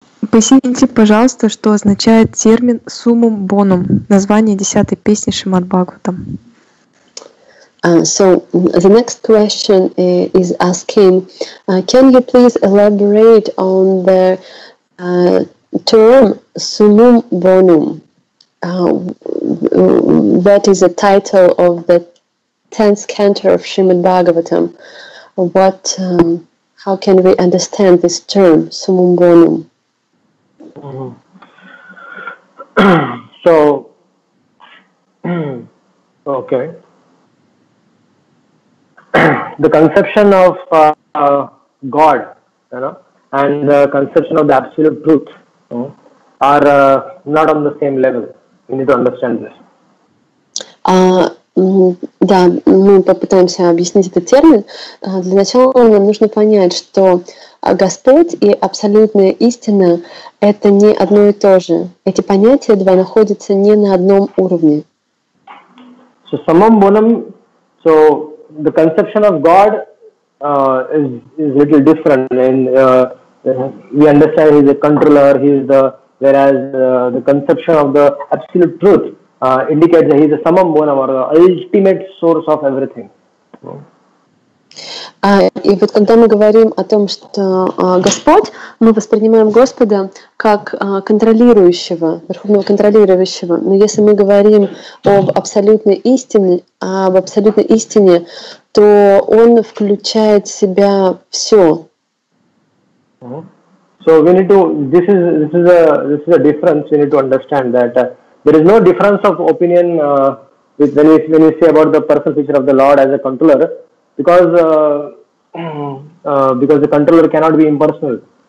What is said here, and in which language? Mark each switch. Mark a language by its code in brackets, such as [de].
[ru] Поясните, пожалуйста, что означает термин Summum Bonum, название 10-й песни Шримад Бхагаватам. [en] So the next question is asking, can you please elaborate on the term Summum Bonum? That is the title of the 10th canto of Srimad Bhagavatam. What, how can we understand this term, Summum Bonum? So, okay. The conception of God, you know, and the conception of the absolute truth, are not on the same level. We need to understand this. [ru] Да, мы попытаемся объяснить этот термин. Для начала нам нужно понять, что Господь и абсолютная истина — это не одно и то же. Эти понятия два находятся не на одном уровне. [en] So, Summum Bonum, so the conception of God is a little different. And, we understand he's a controller, he's the, whereas the conception of the absolute truth indicates that he is a summum bonum or the ultimate source of everything. [ru] И вот когда мы говорим о том, что Господь, мы воспринимаем Господа как контролирующего, верховного контролирующего. Но если мы говорим об абсолютной истине, об абсолютной истине, то он включает в себя все. [en] So we need to this is a difference. We need to understand that. There is no difference of opinion with when you say about the personal feature of the Lord as a controller, because the controller cannot be impersonal.